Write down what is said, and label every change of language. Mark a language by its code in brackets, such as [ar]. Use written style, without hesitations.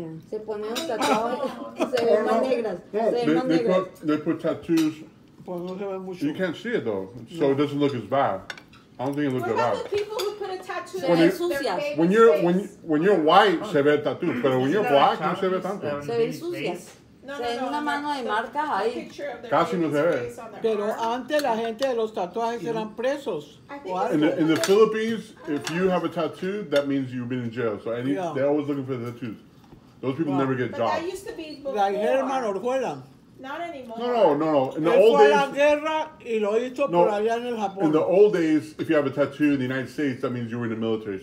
[es] Se ponen tatuajes y se ven más negras. [en] They put tattoos. [es] Pues no se ve mucho. [en] You can't see it though, so it doesn't look as bad. I don't think it looks bad. What about the people who put a tattoo on their face? When you're white, [es] se ve tattoo, pero [en] when you're black, [es] no se ve tanto. Se ven sucias. Se ven una mano de marca ahí. Casi no se ve. Pero antes la gente de los tatuajes eran presos. [en] In the Philippines, if you have a tattoo, that means you've been in jail. So they're always looking for the tattoos. Those people never get jobs. But that used to be like Herman Orjuela. Yeah. Not anymore. No. In the old days. In the old days, if you have a tattoo in the United States, that means you were in the military.